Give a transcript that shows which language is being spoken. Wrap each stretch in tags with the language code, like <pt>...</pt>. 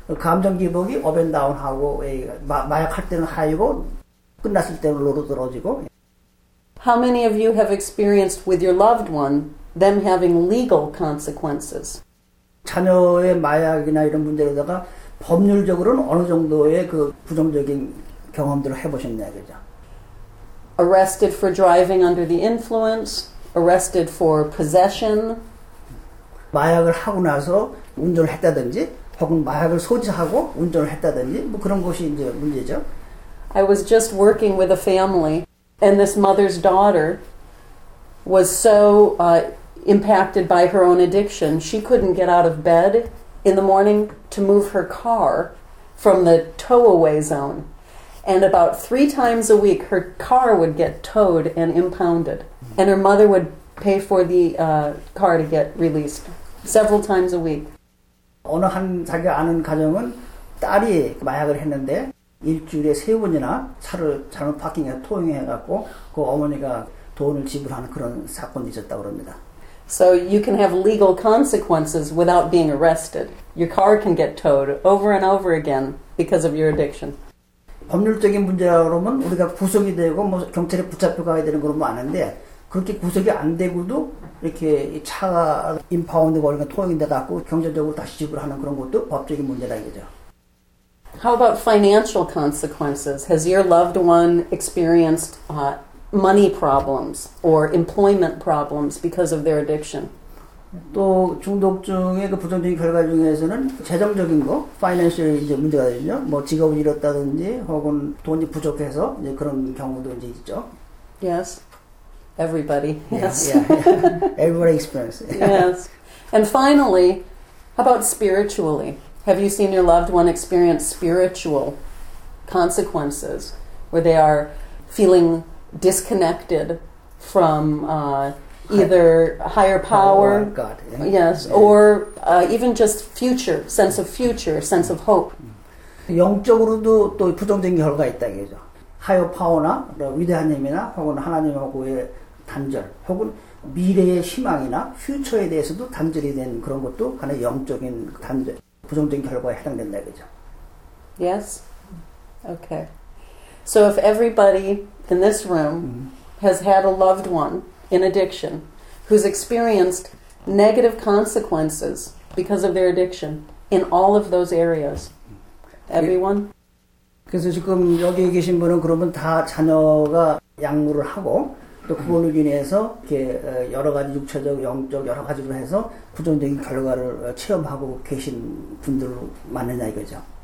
<ko>감정 기복이</ko> <en>up and down</en> <ko>하고 마약할 때는 high고 끝났을 때는 low로 떨어지고.</ko> <en>How many of you have experienced with your loved one them having legal consequences?</en> <ko>자녀의 마약이나 이런 문제에다가 법률적으로는 어느 정도의 그 부정적인 경험들을 해보셨냐 그죠?</ko> <en>Arrested for driving under the influence, arrested for possession.</en> <ko>마약을 하고 나서 운전을 했다든지, 혹은 마약을 소지하고 운전을 했다든지, 뭐 그런 것이 이제 문제죠.</ko> <en>I was just working with a family, and this mother's daughter was so impacted by her own addiction, she couldn't get out of bed in the morning to move her car from the tow-away zone. And about three times a week, her car would get towed and impounded. And her mother would pay for the car to get released several times a week.</en> <ko>어느 한 자기 아는 가정은 딸이 마약을 했는데 일주일에 세 번이나 차를 잘못 파킹해 토잉해 갖고 그 어머니가 돈을 지불하는 그런 사건이 있었다고 합니다.</ko> <en>So you can have legal consequences without being arrested. Your car can get towed over and over again because of your addiction.</en> <ko>법률적인 문제라면 우리가 구속이 되고 뭐 경찰에 붙잡혀가야 되는 그런 거 아는데 그렇게 구속이 안 되고도 이렇게 차가 임파운드 걸리면 토잉인데 갖고 경제적으로 다시 지불하는 그런 것도 법적인 문제라 이거죠.</ko> <en>How about financial consequences? Has your loved one experienced money problems or employment problems because of their addiction?</en> <ko>또 중독증의 그 부정적인 결과 중에서는 재정적인 거, financial 이제 문제가 되죠. 뭐 직업을 잃었다든지 혹은 돈이 부족해서 이제 그런 경우도 이제 있죠.</ko> <en>Yes. Everybody. Yes. Yeah. Everybody experience. Yes. And finally, how about spiritually? Have you seen your loved one experience spiritual consequences where they are feeling disconnected from either higher power, God, yeah. Yes, yeah. Or even just future, sense of future, sense of hope.</en> <ko>영적으로도 또 부정적인 결과가 있다 이거죠.</ko> <en>Higher power</en> <ko>나 위대한 힘이나 혹은 하나님하고의 단절 혹은 미래의 희망이나 future에 대해서도 단절이 된 그런 것도 하나의 영적인 단절, 부정적인 결과에 해당된다 이거죠.</ko> <en>Yes? Okay. So if everybody in this room has had a loved one in addiction, who's experienced negative consequences because of their addiction in all of those areas. Everyone?</en> <ko>그래서 지금 여기 계신 분은 그러면 다 자녀가 양무를 하고 또 그걸로 인해서 이렇게 여러 가지 육체적, 영적 여러 가지로 해서 부정적인 결과를 체험하고 계신 분들 맞느냐 이거죠.</ko>